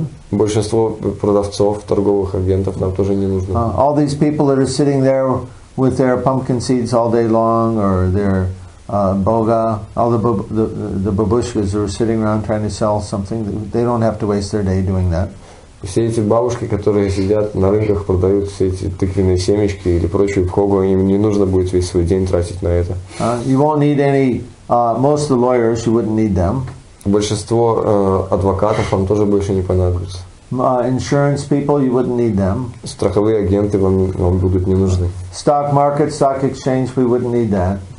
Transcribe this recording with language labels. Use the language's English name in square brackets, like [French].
[Russian] Большинство продавцов, торговых агентов нам тоже не нужно. [English] All these people that are sitting there with their pumpkin seeds all day long, or their boga, all the babushkas are sitting around trying to sell something, they don't have to waste their day doing that. [Russian] Все эти бабушки, которые сидят на рынках, продают все эти тыквенные семечки или прочую пхогу, им не нужно будет весь свой день тратить на это. [English] You won't need any, most of the lawyers, you wouldn't need them. [Russian] Большинство адвокатов вам тоже больше не понадобится. [English] Insurance people, you wouldn't need them. [Russian] Страховые агенты вам будут не нужны. [English] Stock market, stock exchange, we wouldn't need that.